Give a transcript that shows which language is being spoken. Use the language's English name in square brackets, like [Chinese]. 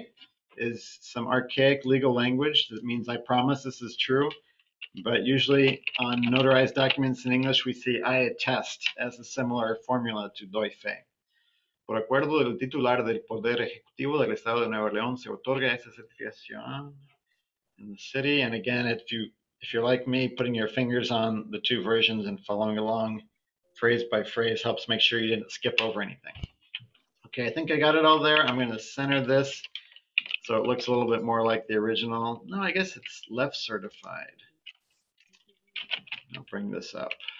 [English] Doy fe is some archaic legal language that means I promise this is true, but usually on notarized documents in English, we see I attest as a similar formula to doy fe. [Spanish] Por acuerdo del titular del Poder Ejecutivo del Estado de Nuevo León, se otorga esa certificación [English] in the city. And again, if you're like me, putting your fingers on the two versions and following along phrase by phrase helps make sure you didn't skip over anything. Okay, I think I got it all there. I'm going to center this so it looks a little bit more like the original. No, I guess it's left certified. I'll bring this up.